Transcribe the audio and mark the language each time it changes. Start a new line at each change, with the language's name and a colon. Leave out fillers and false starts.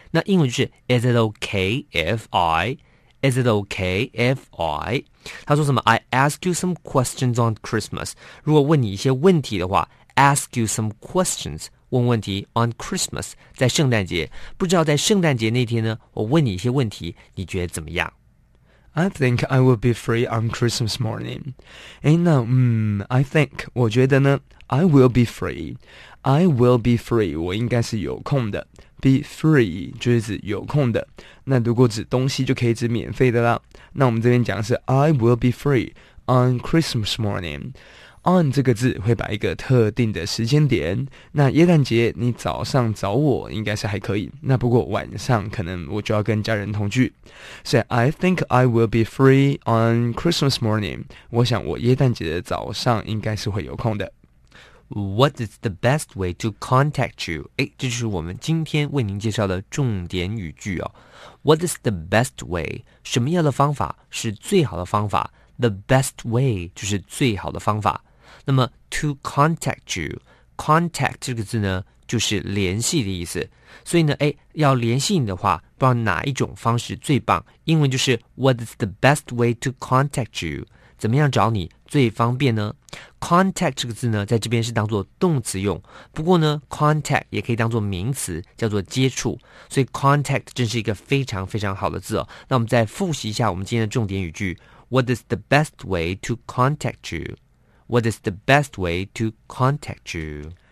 Chinese: 那英文就是
English: Is it okay if I? Is it okay if I?
Chinese: 他说什么
English: I ask you some questions on Christmas.
Chinese: 如果问你一些问题的话
English: Ask you some questions.
Chinese: 问问题
English: on Christmas.
Chinese: 在圣诞节。不知道在圣诞节那天呢我问你一些问题你觉得怎么样
English: I think I will be free on Christmas morning.
Chinese: 诶那
English: I think,
Chinese: 我觉得呢
English: I will be free. I will be free,
Chinese: 我应该是有空的。
English: Be free,
Chinese: 就是指有空的。那如果指东西就可以指免费的啦。那我们这边讲的是
English: I will be free on Christmas morning.
Chinese: On 这个字会摆一个特定的时间点，那耶诞节你早上找我应该是还可以，那不过晚上可能我就要跟家人同居，所以
English: I think I will be free on Christmas morning，
Chinese: 我想我耶诞节的早上应该是会有空的。
English: What is the best way to contact you?
Chinese: 诶，这就是我们今天为您介绍的重点语句哦。
English: What is the best way?
Chinese: 什么样的方法是最好的方法？
English: The best way
Chinese: 就是最好的方法。那么
English: to contact you,
Chinese: contact 这个字呢，就是联系的意思。所以呢，哎，要联系你的话，不知道哪一种方式最棒？英文就是
English: What is the best way to contact you?
Chinese: 怎么样找你最方便呢 ？Contact 这个字呢，在这边是当做动词用。不过呢 ，contact 也可以当做名词，叫做接触。所以 contact 真是一个非常非常好的字哦。那我们再复习一下我们今天的重点语句。
English: What is the best way to contact you? What is the best way to contact you?